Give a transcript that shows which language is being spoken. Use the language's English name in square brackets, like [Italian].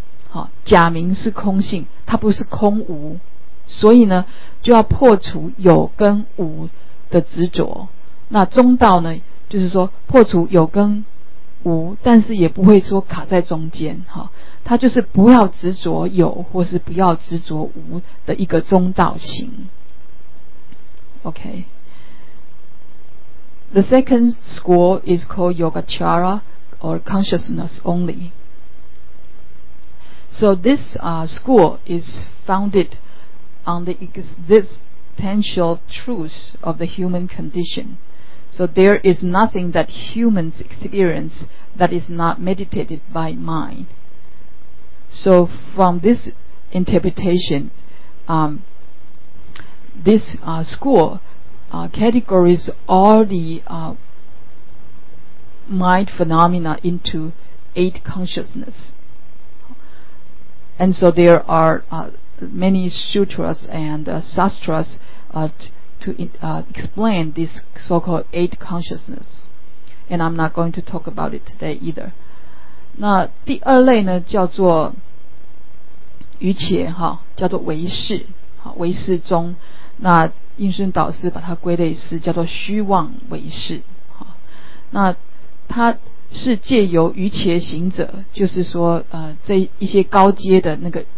[Chinese] 好，假名是空性，它不是空无。所以呢，就要破除有跟无的执着。那中道呢，就是说破除有跟无，但是也不会说卡在中间，哈，它就是不要执着有，或是不要执着无的一个中道行。 [English] OK, the second school is called Yogacara or consciousness only. So this school is founded. On the existential truth of the human condition. So there is nothing that humans experience that is not meditated by mind. So from this interpretation, this school categorizes all the mind phenomena into eight consciousness. And so there are many sutras and sastras explain this so-called eight consciousness, and I'm not going to talk about it today either. [Chinese] 那第二类呢，叫做瑜伽哈，叫做唯识，好，唯识中，那应顺导师把它归类是叫做虚妄唯识，好，那它是借由瑜伽行者，就是说这一些高阶的那个。